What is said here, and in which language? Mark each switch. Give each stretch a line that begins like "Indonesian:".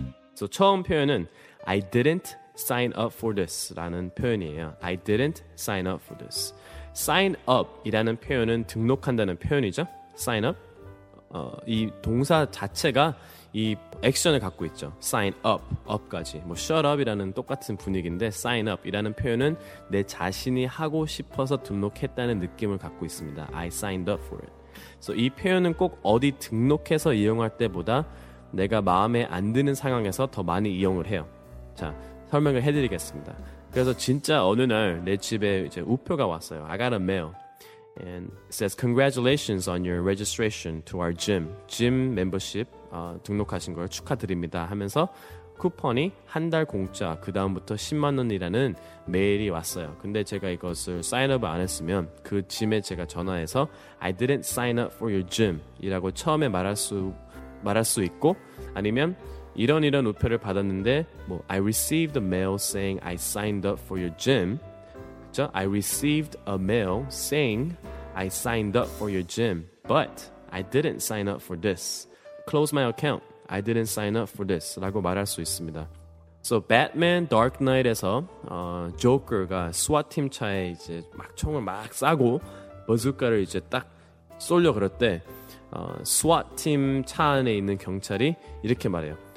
Korean: 그래서 처음 표현은
English: I didn't sign up for this
Korean: 라는 표현이에요.
English: I didn't sign up for this.
Korean: Sign up 이라는 표현은 등록한다는 표현이죠.
English: Sign up.
Korean: 이 동사 자체가 이 액션을 갖고 있죠.
English: Sign up, up까지.
Korean: 뭐 shut up이라는 똑같은 분위기인데 sign up이라는 표현은 내 자신이 하고 싶어서 등록했다는 느낌을 갖고 있습니다.
English: I signed up for it.
Korean: So 이 표현은 꼭 어디 등록해서 이용할 때보다 내가 마음에 안 드는 상황에서 더 많이 이용을 해요. 자, 설명을 해드리겠습니다. 그래서 진짜 어느 날 내 집에 이제 우표가 왔어요.
English: I got a mail. And it says, congratulations on your registration to our gym.
Korean: Gym membership, 등록하신 걸 축하드립니다 하면서 쿠폰이 한 달 공짜, 그 다음부터 10만 원이라는 메일이 왔어요. 근데 제가 이것을 사인업을 안 했으면 그 gym에 제가 전화해서
English: I didn't sign up for your gym
Korean: 이라고 처음에 말할 수 있고, 아니면 이런 우표를 받았는데 뭐
English: I received a mail saying I signed up for your gym. I received a mail saying I signed up for your gym, but I didn't sign up for this. Close my account. I didn't sign up for this.
Korean: 라고 말할 수 있습니다. So Batman Dark Knight에서 Joker가 SWAT팀 차에 이제 막 총을 막 쏴고 버즈카를 이제 딱 쏠려 그럴때 SWAT팀 차 안에 있는 경찰이 이렇게 말해요.